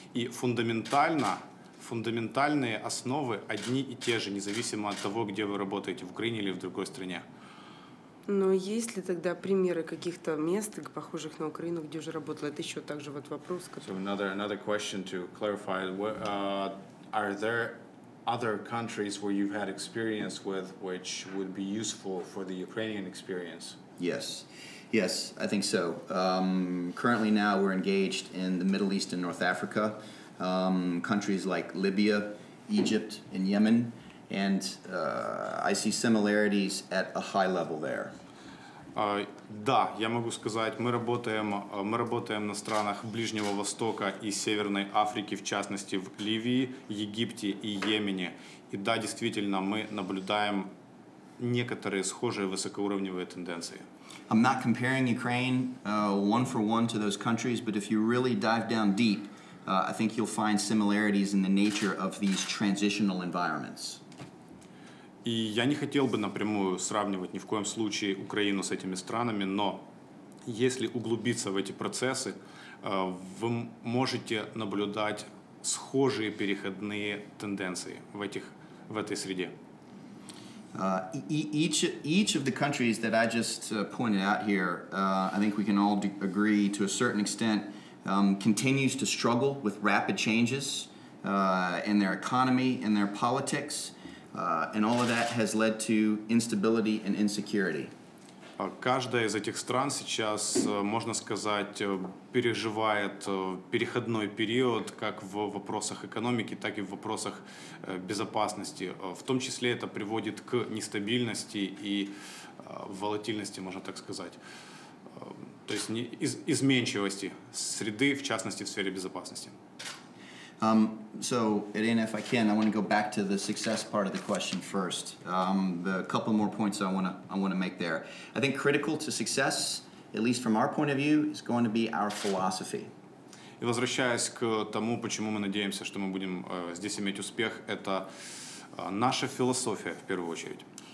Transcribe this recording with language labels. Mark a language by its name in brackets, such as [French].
[Russian] И фундаментальные основы одни и те же, независимо от того, где вы работаете, в Украине или в другой стране. Но есть ли тогда примеры каких-то мест, похожих на Украину, где уже работала? Это еще также вот вопрос. Который... [English] So another question to clarify. Are there other countries where you've had experience with which would be useful for the Ukrainian experience? Yes. Yes, I think so. Currently now we're engaged in the Middle East and North Africa. Countries like Libya, Egypt, and Yemen. And I see similarities at a high level there. [Russian] Да, я могу сказать, мы работаем на странах Ближнего Востока и Северной Африки, в частности, в Ливии, Египте и Йемене. И да, действительно, мы наблюдаем некоторые схожие высокоуровневые тенденции. [English] I'm not comparing Ukraine one for one to those countries, but if you really dive down deep, I think you'll find similarities in the nature of these transitional environments. [Russian] И я не хотел бы напрямую сравнивать ни в коем случае Украину с этими странами, но если углубиться в эти процессы, вы можете наблюдать схожие переходные тенденции в этой среде. [English] Each of the countries that I just pointed out here, I think we can all agree to a certain extent, continues to struggle with rapid changes in their economy, in their politics. And all of that has led to instability and insecurity. [Russian] Каждая из этих стран сейчас, можно сказать, переживает переходной период как в вопросах экономики, так и в вопросах безопасности. В том числе это приводит к нестабильности и волатильности, можно так сказать. То есть изменчивости среды, в частности, в сфере безопасности. [English] So, Irina, if I can, I want to go back to the success part of the question first. The couple more points I want to make there. I think critical to success, at least from our point of view, is going to be our philosophy. [Russian] И возвращаясь к тому, почему мы надеемся, что мы будем здесь иметь успех, это наша философия в первую очередь.